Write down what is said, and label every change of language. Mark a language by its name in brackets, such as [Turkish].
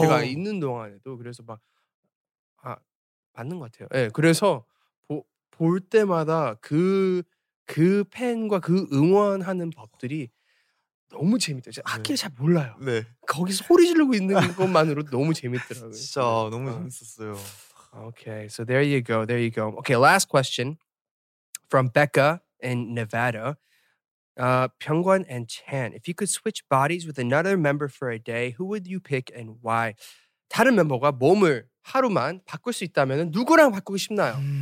[Korean] 제가 있는 동안에도 그래서 막 맞는 것 같아요. 네, 그래서 볼 때마다 그 팬과 그 응원하는 법들이 너무 재밌더라고요. 네. 학기를 잘 몰라요. 네. 거기서 소리 지르고 있는 것만으로도 너무 재밌더라고요. 진짜 너무 재밌었어요. [English] Okay, so there you go. There you go. Okay, last question from Becca in Nevada. Pyeongwon and Chan, if you could switch bodies with another member for a day, who would you pick and why? [Korean] 다른 멤버가 몸을 하루만 바꿀 수 있다면 누구랑 바꾸고 싶나요?